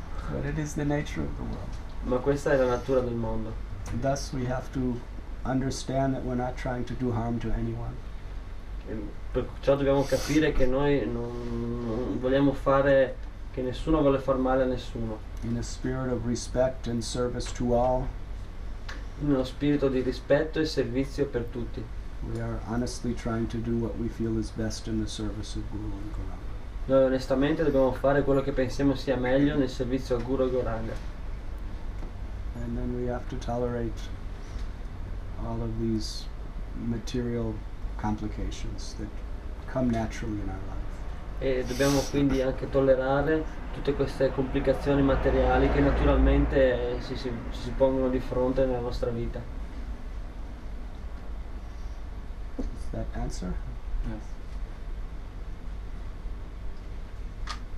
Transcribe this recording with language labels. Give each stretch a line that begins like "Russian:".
English: But it is the nature of the world.
Italian: Ma questa è la natura del mondo.
English: Thus we have to understand that we're not trying to do harm to anyone.
Italian: Perciò dobbiamo capire che noi non vogliamo fare, che nessuno vuole far male a nessuno.
English: In a spirit of respect and service to all.
Italian: In uno spirito di rispetto e servizio per tutti.
English: We are honestly trying to do what we feel is best in the service of Guru and Gauranga.
Italian: Noi onestamente dobbiamo fare quello che pensiamo sia meglio nel servizio a Guru e Gauranga.
English: And then we have to tolerate all of these material complications that come naturally in our life.
Italian: E dobbiamo quindi anche tollerare tutte queste complicazioni materiali che naturalmente si pongono di fronte nella nostra vita.
English: Is that answer? Yes.